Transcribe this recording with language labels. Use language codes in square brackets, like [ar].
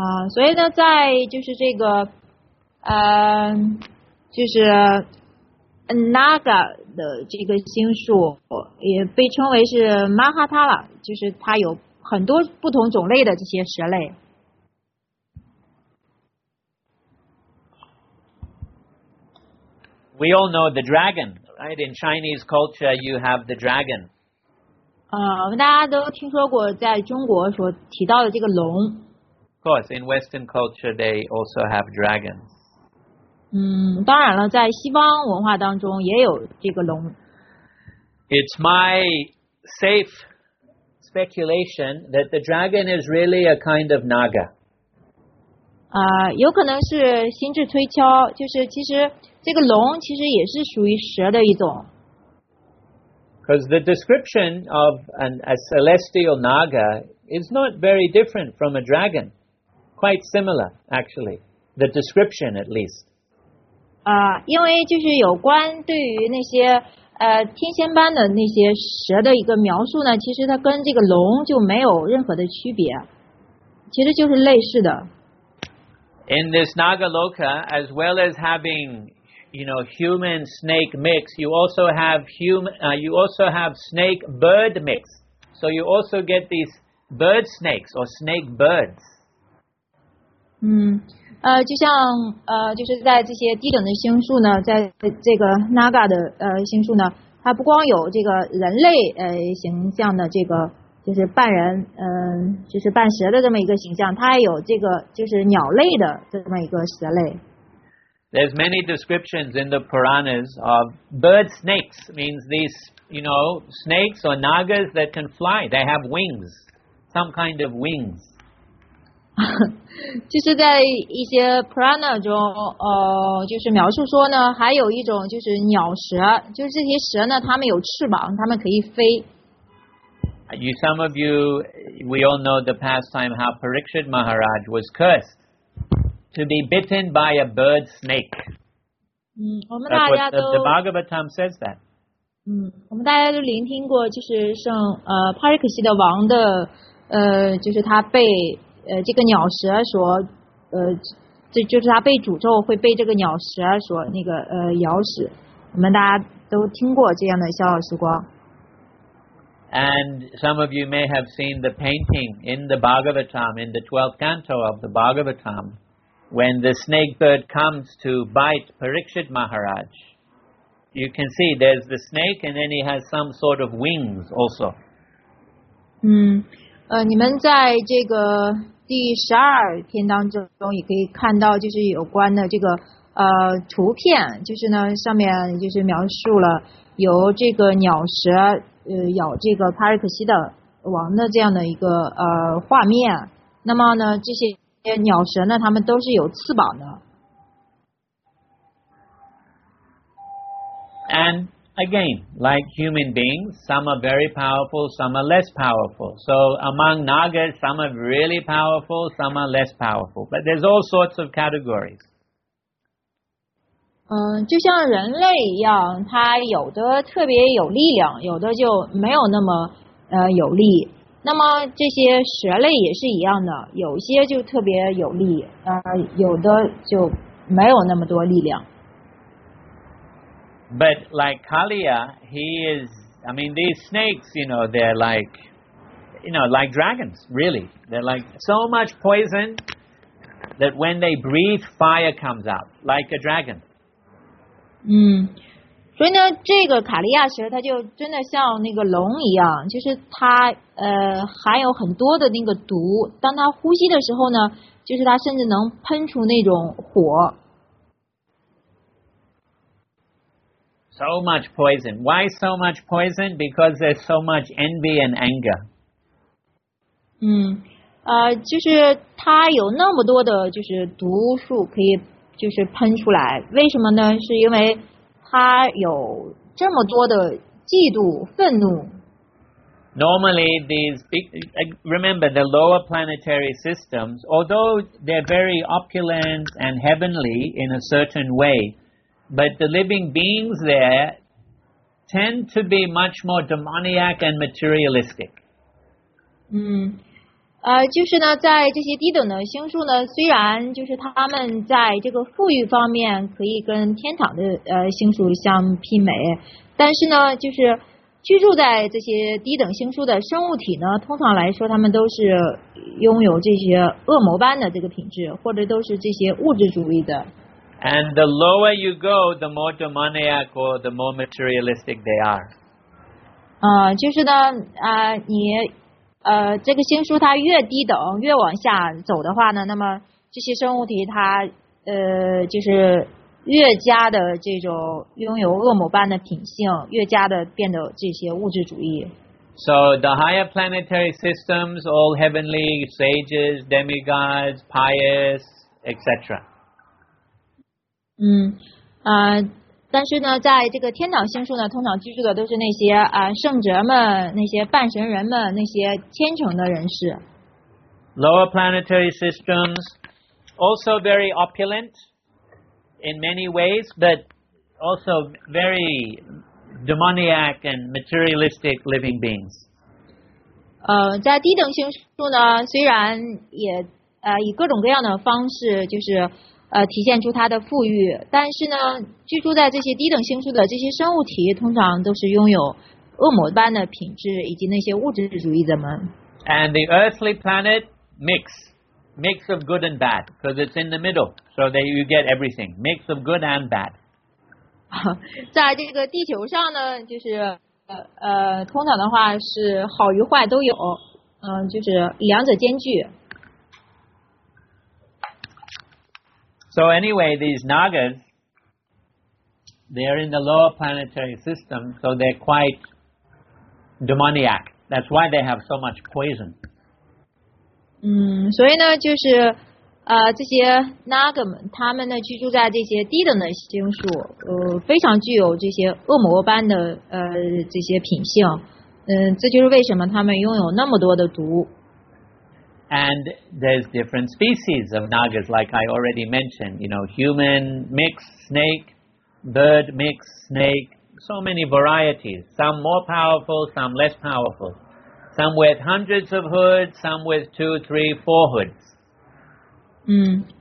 [zh] 所以呢，在就是这个，就是 Naga 的这个星宿也被称为是 Mahatala， 就是它有很多不同种类的这些蛇类。 [en] We all know the dragon, right? In Chinese culture, you have the dragon. [zh] 大家都听说过在中国所提到的这个龙。 [en] Of course, in Western culture, they also have dragons. [zh] 当然了，在西方文化当中也有这个龙。 [en] It's my safe speculation that the dragon is really a kind of naga. [zh] 有可能是心智推敲，就是其实这个龙其实也是属于蛇的一种。 [en] Because the description of a celestial naga is not very different from a dragon. Quite similar, actually. The description, at least. [zh] 因为就是有关对于那些天仙般的那些蛇的一个描述呢，其实它跟这个龙就没有任何的区别，其实就是类似的。 [en] In this Naga Loka, as well as having... You know, human snake mix. You also have snake bird mix. So you also get these bird snakes or snake birds. [zh] 就像就是在这些低等的星宿呢，在这个 Naga 的星宿呢，它不光有这个人类形象的这个就是半人就是半蛇的这么一个形象，它还有这个就是鸟类的这么一个蛇类。 [en] There's many descriptions in the Puranas of bird snakes, means these, you know, snakes or nagas that can fly. They have wings, some kind of wings. [zh] 就是在一些 Purana 中，就是描述说呢，还有一种就是鸟蛇，就是这些蛇呢，它们有翅膀，它们可以飞。 [en] We all know the pastime how Parikshit Maharaj was cursed. To be bitten by a bird snake. The Bhagavatam says that. [zh] 我们大家都聆听过，就是圣帕瑞克西的王的就是他被这个鸟蛇所就是他被诅咒会被这个鸟蛇所那个咬死。我们大家都听过这样的笑傲时光。 [en] And some of you may have seen the painting in the Bhagavatam, in the 12th canto of the Bhagavatam. When the snake bird comes to bite Parikshit Maharaj, you can see there's the snake and then he has some sort of wings also. [zh] 你们在这个第十二篇当中也可以看到就是有关的这个图片，就是呢上面就是描述了由这个鸟蛇咬这个帕瑞克西的王的这样的一个画面。那么呢这些鸟蛇呢，它们都是有翅膀的。 [en] And again, like human beings, some are very powerful, some are less powerful. So among nagas, some are really powerful, some are less powerful. But there's all sorts of categories. [zh] 就像人类一样，它有的特别有力量，有的就没有那么有力。那么这些蛇类也是一样的，有些就特别有力，有的就没有那么多力量。 [en] But like Kaliya, he is, I mean, these snakes, you know, they're like, you know, like dragons, really. They're like so much poison that when they breathe, fire comes out, like a dragon. [zh] 所以呢，这个卡利亚蛇它就真的像那个龙一样，就是它含有很多的那个毒。当它呼吸的时候呢，就是它甚至能喷出那种火。 [en] So much poison. Why so much poison? Because there's so much envy and anger. [zh] 就是它有那么多的就是毒素可以就是喷出来，为什么呢？是因为他有这么多的嫉妒、愤怒。 [en] Normally, these remember the lower planetary systems, although they're very opulent and heavenly in a certain way, but the living beings there tend to be much more demoniac and materialistic. [zh] 就是呢，在这些低等的星宿呢，虽然就是他们在这个富裕方面可以跟天堂的星宿相媲美，但是呢，就是居住在这些低等星宿的生物体呢，通常来说，他们都是拥有这些恶魔般的这个品质，或者都是这些物质主义的。 [en] And the lower you go, the more demoniac or the more materialistic they are. [zh] 就是呢，你。这个星宿它越低等越往下走的话呢，那么这些生物体它就是越加的这种拥有恶魔般的品性，越加的变得这些物质主义。 [en] So the higher planetary systems, all heavenly sages, demigods, pious, etc. [zh] 但是呢，在这个天堂星宿呢，通常居住的都是那些圣哲们、那些半神人们、那些虔诚的人士。 [en] Lower planetary systems also very opulent in many ways, but also very demoniac and materialistic living beings. [zh] 在低等星宿呢，虽然也以各种各样的方式就是。体现出他的富裕，但是呢，居住在这些低等星宿的这些生物体，通常都是拥有恶魔般的品质，以及那些物质主义者们。 [en] And the earthly planet mix of good and bad, because it's in the middle, so that you get everything mix of good and bad. [zh] 在这个地球上呢，就是通常的话是好与坏都有，就是两者兼具。 [en] So anyway, these Nagas, they're in the lower planetary system, so they're quite demoniac. That's why they have so much poison. [zh] 所以呢，就是这些 Naga 们，他们呢居住在这些低等的星宿，非常具有这些恶魔般的这些品性。这就是为什么他们拥有那么多的毒。 [en] And there's different species of Nagas, like I already mentioned, you know, human mixed snake, bird mixed snake, so many varieties, some more powerful, some less powerful, some with hundreds of hoods, some with two, three, four hoods.